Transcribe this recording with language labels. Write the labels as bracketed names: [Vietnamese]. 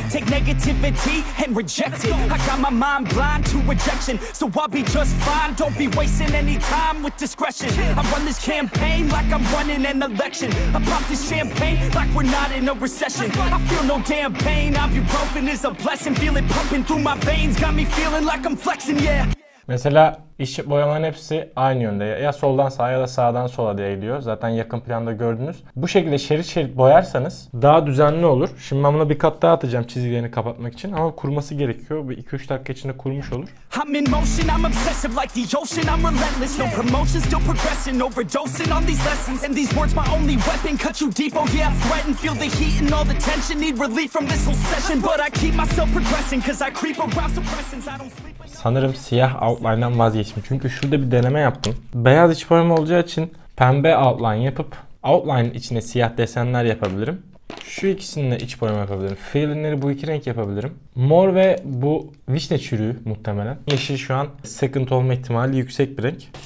[English] Take negativity and reject it. I got my mind blind to rejection, so I'll be just fine. Don't be wasting any time with discretion. I run this campaign like I'm running an election. I pop this champagne like we're not in a recession. I feel no damn pain. Ibuprofen is a blessing. Feel it pumping through my veins. Got me feeling like I'm flexing, yeah. [Turkish] Mesela iş boyamanın hepsi aynı yönde. Ya soldan sağa ya da sağdan sola diye gidiyor. Zaten yakın planda gördünüz. Bu şekilde şerit şerit boyarsanız daha düzenli olur. Şimdi ben buna bir kat daha atacağım çizgilerini kapatmak için. Ama kurması gerekiyor. Bir 2-3 dakika içinde kurmuş olur. [English] I'm in motion, I'm obsessive like the ocean, I'm relentless. No promotion, still progressing, overdosing on these lessons. And these words my only weapon, cut you deep, oh yeah, threaten. Feel the heat and all the tension, need relief from this whole session. But I keep myself progressing, cause I creep around suppressants, I don't sleep. [Turkish] Sanırım siyah outline'dan vazgeçtim. Çünkü şurada bir deneme yaptım. Beyaz iç boyam olacağı için pembe outline yapıp outline'ın içine siyah desenler yapabilirim. Şu ikisininle iç boyam yapabilirim. Fill'inleri bu iki renk yapabilirim. Mor ve bu vişne çürüğü muhtemelen. Yeşil şu an second olma ihtimali yüksek bir renk.